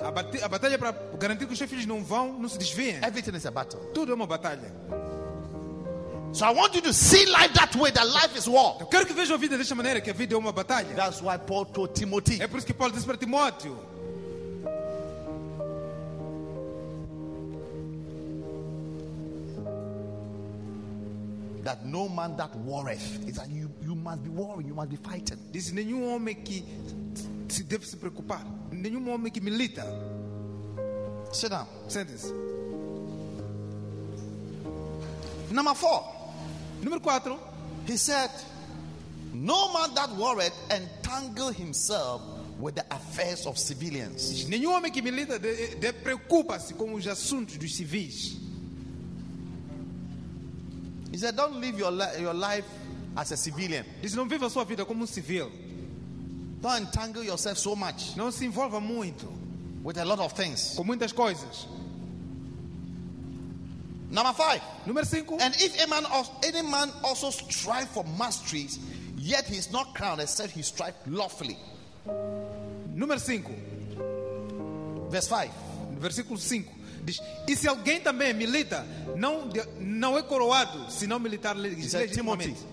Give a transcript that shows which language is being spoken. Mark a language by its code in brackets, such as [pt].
[pt] A batalha para garantir que os seus filhos não vão, não se desviem. [en] Everything is a battle. [pt] Tudo é uma batalha. [en] So I want you to see life that way, that life is war. [pt] Eu quero que veja a vida dessa maneira, que a vida é uma batalha. [en] That's why Paul told Timothy. [pt] É por isso que Paulo disse para Timóteo. [en] That no man that warreth is that you must be warring, you must be fighting. This is [pt] nenhum homem que se deve se preocupar, nenhum homem que milita. [en] Sit down. Say this. Number four. [pt] Número quatro. [en] He said, no man that warreth entangle himself with the affairs of civilians. [pt] Nenhum homem que milita de preocupa-se com os assuntos dos civis. [en] He said, "Don't live your life as a civilian." [pt] Diz, não viva sua vida como um civil. [en] Don't entangle yourself so much. [pt] Não se envolva muito. [en] With a lot of things. [pt] Com muitas coisas. [en] Number five. [pt] Número cinco. [en] And if any man also strive for masteries, yet he is not crowned except he strive lawfully. [pt] Número cinco. [en] Verse five. [pt] Versículo cinco. Diz, e se alguém também milita, não é coroado se não militar legitimamente.